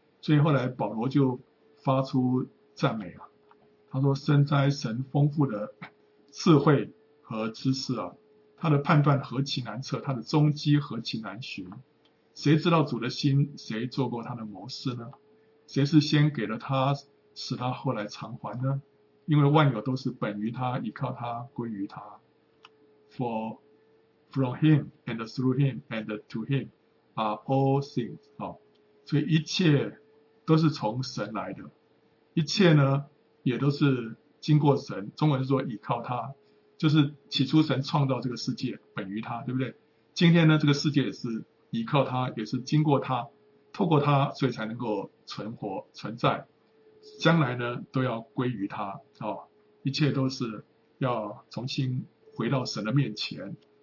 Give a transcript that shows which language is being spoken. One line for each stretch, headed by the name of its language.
Chinese: 所以后来保罗就发出赞美啊，他说，深哉神丰富的智慧和知识啊，他的判断何其难测，他的踪迹何其难寻，谁知道主的心，谁做过他的谋士呢？谁是先给了他，使他后来偿还呢？因为万有都是本于他，依靠他，归于他。
English: For from him and through him and to him are all things.
Chinese: 所以一切都是从神来的，一切呢也都是经过神，中文是说倚靠他，就是起初神创造这个世界本于他，对不对？今天呢这个世界也是倚靠他，也是经过他，透过他所以才能够存活存在，将来呢都要归于他，一切都是要重新回到神的面前。